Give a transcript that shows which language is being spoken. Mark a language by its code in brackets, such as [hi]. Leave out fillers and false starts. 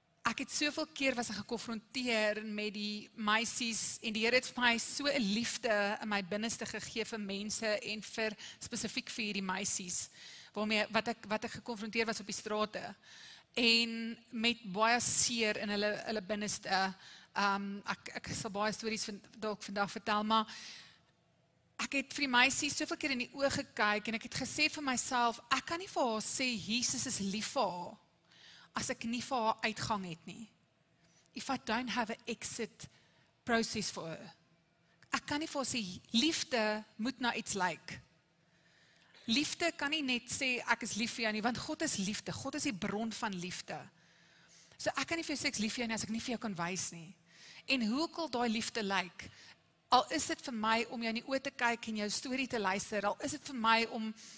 [af] ek het soveel keer was gekonfronteer met die meisies, en die Here het vir my so 'n liefde in my binneste gegee vir mense, en vir spesifiek vir hierdie meisies, waarmee, wat ek gekonfronteer was op die strate, en met baie seer in hulle binneste, ek sal baie stories dalk vandag vertel, maar ek het vir die meisie soveel keer in die oog gekyk, en ek het gesê vir myself, ek kan nie vir haar sê, Jesus is lief vir haar, as ek nie vir haar uitgang het nie. [en] If I don't have an exit process for her. [af] Ek kan nie vir haar sê, liefde moet na iets lyk. Liefde kan nie net sê, ek is lief vir jou nie, want God is liefde, God is die bron van liefde. So ek kan nie vir jou sê, ek is lief vir jou nie, as ek nie vir jou kan wys nie. En hoe ook al die liefde lyk, al is dit vir my om jou in die oë te kyk en jou story te luister, al is dit vir my om